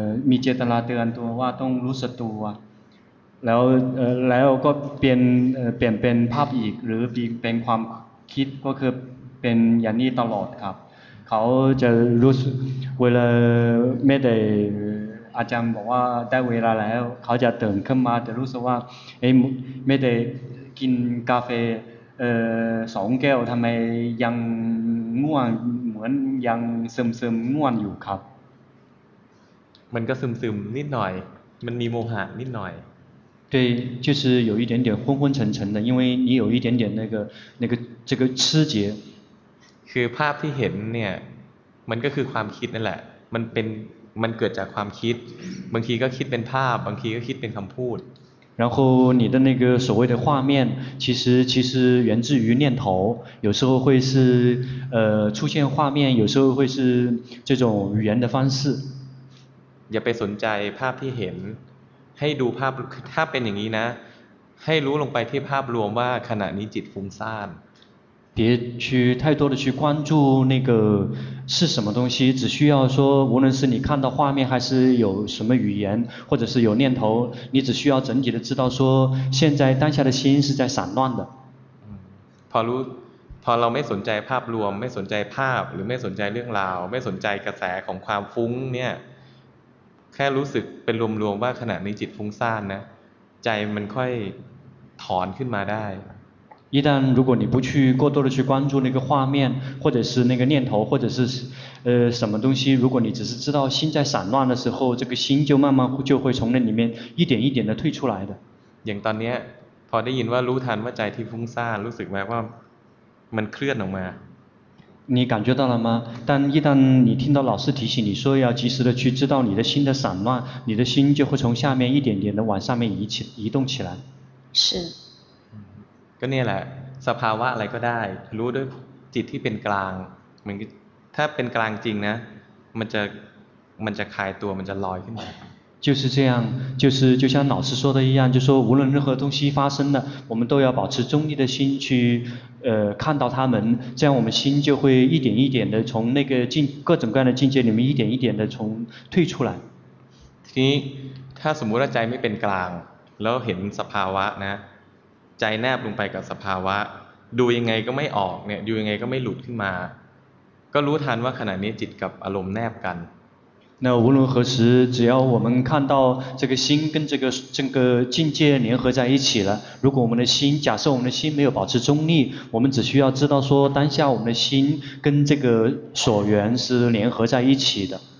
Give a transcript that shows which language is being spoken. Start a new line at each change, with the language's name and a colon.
Thai: มีเจตนาเตือนตัวว่าต้องรู้สึกตัวแล้วก็เปลี่ยนเป็นภาพอีกหรือเป็นความคิดก็คือเป็นอย่างนี้ตลอดครับเขาจะรู้สึกเวลาไม่ได้อาจารย์บอกว่าได้เวลาแล้วเขาจะตื่นขึ้นมาจะรู้สึกว่าไม่ได้กินกาแฟสองแก้วทำไมยังง่วงเหมือนยังซึมง่วงอยู่ครับ มันก็ซึมนิดหน่อยมันมีโมหะนิดหน่อย
Chinese: 对就是有一点点昏昏沉沉的因为你有一点点那个这个痴结
Thai: คือภาพที่เห็นเนี่ยมันก็คือความคิดนั่นแหละมันเกิดจากความคิดบางทีก็คิดเป็นภาพบางทีก็คิดเป็นคำพูด
Chinese: 然后你的那个所谓的画面其实源自于念头有时候会是出现画面有时候会是这种语言的方式
Thai: อย่าไปสนใจภาพที่เห็นให้ดูภาพถ้าเป็นอย่างนี้นะให้รู้ลงไปที่ภาพรวมว่าขณะนี้จิตฟุ้งซ่าน
Chinese: 别去太多的去关注那个是什么东西只需要说无论是你看到画面还是有什么语言或者是有念头你只需要整体的知道说现在当下的心是在散乱的
Thai: พอเราไม่สนใจภาพรวมไม่สนใจภาพหรือไม่สนใจเรื่องราวไม่สนใจกระแสของความฟุ้งเนี่ยแค่รู้สึกเป็นรวมๆว่าขณะนี้จิตฟุ้งซ่านนะใจมันค่อยถอนขึ้นมาได้
Chinese: 一旦如果你不去过多的去关注那个画面或者是那个念头或者是什么东西如果你只是知道心在散乱的时候这个心就慢慢就会从那里面一点一点的退出来的
Thai: อย่างตอนนี้พอได้ยินว่ารู้ทันว่าใจที่ฟุ้งซ่านรู้สึกไหมว่ามันเคลื่อนออกมา
Chinese: 你感觉到了吗但一旦你听到老师提醒你说要及时的去知道你的心的散乱你的心就会从下面一点点的往上面移动起来是
Thai: ก็เนี่ยแหละสภาวะอะไรก็ได้รู้ด้วยจิตที่เป็นกลางมันถ้าเป็นกลางจริงนะมันจะคลายตัวมันจะลอยขึ้นมา
Chinese: 就是这样就是就像老师说的一样就说无论任何东西发生的我们都要保持中立的心去看到它们这样我们心就会一点一点的从那个境各种各样的境界里面一点一点的从退出来
Thai: ทีนี้ถ้าสมมติว่าใจไม่เป็นกลางแล้วเห็นสภาวะนะใจแนบลงไปกับสภาวะดูยังไงก็ไม่ออกเนี่ยดูยังไงก็ไม่หลุดขึ้นมาก็รู้ทันว่าขณะนี้จิตกับอารมณ์แนบกัน
Chinese: 那无论何时，只要我们看到这个心跟这个境界联合在一起了，如果我们的心，假设我们的心没有保持中立，我们只需要知道说当下我们的心跟这个所缘是联合在一起的。